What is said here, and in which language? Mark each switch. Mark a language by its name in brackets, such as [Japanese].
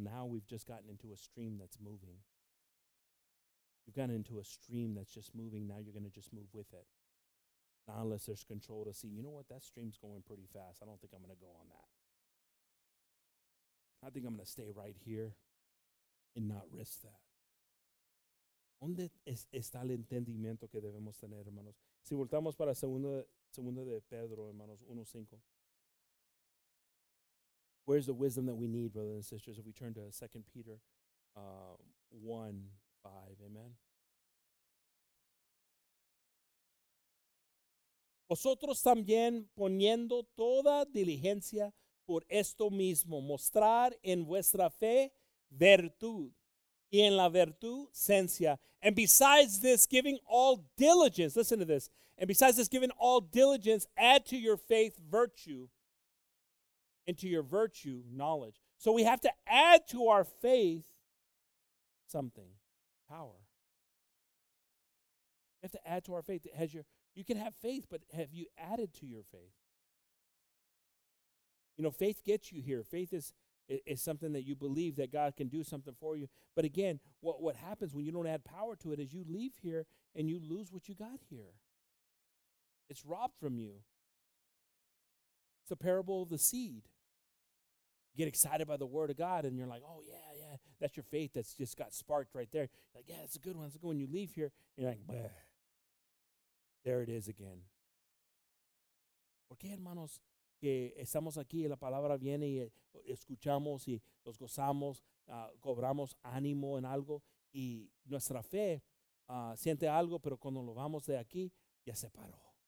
[English] Now we've just gotten into a stream that's moving. You've gotten into a stream that's just moving. Now you're going to just move with it. Not unless there's control to see, you know what, that stream's going pretty fast. I don't think I'm going to go on that. I think I'm going to stay right here and not risk that. [Spanish] ¿Dónde está el entendimiento que debemos tener, hermanos? Si voltamos para segundo de Pedro, hermanos, 1:5. [English] Where's the wisdom that we need, brothers and sisters, if we turn to 2 Peter 1:5, amen? [Spanish] Vosotros también poniendo toda diligencia por esto mismo, mostrar en vuestra fe virtud, y en la virtud ciencia. [English] And besides this, giving all diligence, listen to this, and besides this, giving all diligence, add to your faith virtue. Into your virtue, knowledge. So we have to add to our faith something, power. We have to add to our faith. You can have faith, but have you added to your faith? You know, faith gets you here. Faith is something that you believe that God can do something for you. But again, what happens when you don't add power to it is you leave here and you lose what you got here. It's robbed from you. It's a parable of the seed. Get excited by the word of God, and you're like, oh, yeah, yeah. That's your faith that's just got sparked right there. Like, yeah, that's a good one. That's a good one. You leave here, you're like, bleh. There it is again. [Spanish] ¿Por qué, hermanos, que estamos aquí y la palabra viene y escuchamos y nos gozamos, cobramos ánimo en algo y nuestra fe siente algo, pero cuando lo vamos de aquí, ya se paró.